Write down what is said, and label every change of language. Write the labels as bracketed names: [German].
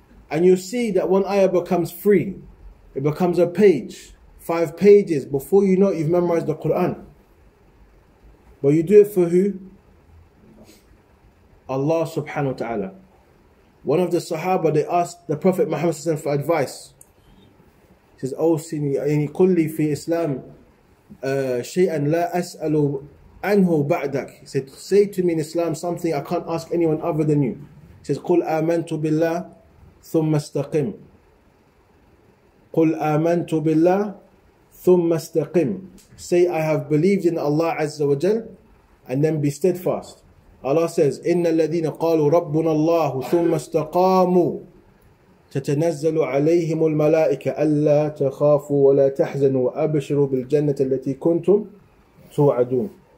[English] And you'll see that one ayah becomes three. It becomes a page. 5 pages. Before you know it, you've memorized the Qur'an. But you do it for who? Allah subhanahu wa ta'ala. One of the Sahaba, they asked the Prophet Muhammad SAW for advice. He says, [Arabic] أَوْسِنِي أَيْنِي كُلِّي فِي إِسْلَامِ شَيْئًا لَا أَسْأَلُ عَنْهُ بَعْدَكَ. [English] He said, say to me in Islam something I can't ask anyone other than you. He says, [Arabic] قُلْ آمَنْتُ بِاللَّهِ ثُمَّ اسْتَقِمْ. قُلْ آمَنْتُ بِاللَّهِ ثُمَّ اسْتَقِمْ. [English] Say, I have believed in Allah Azza wa Jal, and then be steadfast. Allah says, [Arabic] إِنَّ الَّذِينَ قَالُوا رَبُّنَا اللَّهُ ثُمَّ اسْتَقَامُوا تَتَنَزَّلُ عَلَيْهِمُ الْمَلَائِكَ أَلَّا تَخَافُوا وَلَا تَحْزَنُوا وَأَبْشِرُوا بِالْجَنَّةِ الَّتِي كُنْتُمْ تُوعَدُونَ.